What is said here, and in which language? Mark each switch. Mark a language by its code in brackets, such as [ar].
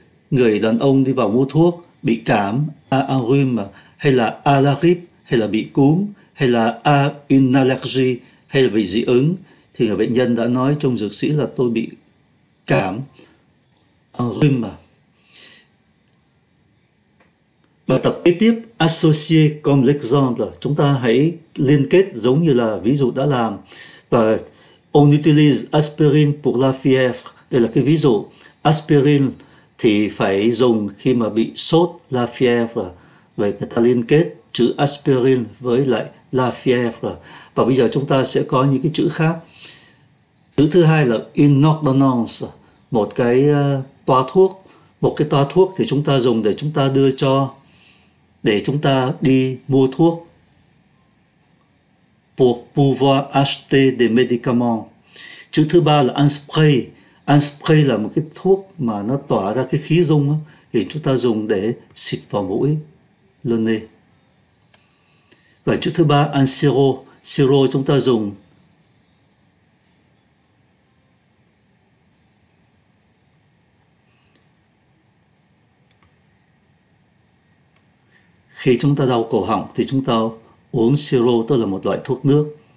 [vi] Người đàn ông đi vào mua thuốc, bị cảm, [fr] a un rhume, [vi] hay là [fr] a la grippe, [vi] hay là bị cúm, hay là [fr] a une allergie, [vi] hay là bị dị ứng. Thì người bệnh nhân đã nói trong dược sĩ là tôi bị cảm, un rhume. Bài tập kế tiếp, [fr] associer comme l'exemple. [vi] Chúng ta hãy liên kết giống như là ví dụ đã làm. [fr] Và on utilise aspirine pour la fièvre. [vi] Đây là cái ví dụ. Aspirine thì phải dùng khi mà bị sốt, la fièvre. Vậy người ta liên kết chữ aspirine với lại la fièvre. Và bây giờ chúng ta sẽ có những cái chữ khác. Chữ thứ hai là une ordonnance. Một cái toa thuốc. Một cái toa thuốc thì chúng ta dùng để chúng ta đưa cho, để chúng ta đi mua thuốc. [fr] Pour pouvoir acheter des médicaments. [vi] Chữ thứ ba là un spray. Un spray là một cái thuốc mà nó tỏa ra cái khí dung đó, thì chúng ta dùng để xịt vào mũi, lên nê. Và chữ thứ ba, un sirop. Sirop chúng ta dùng khi chúng ta đau cổ họng thì chúng ta uống sirop, tức là một loại thuốc nước.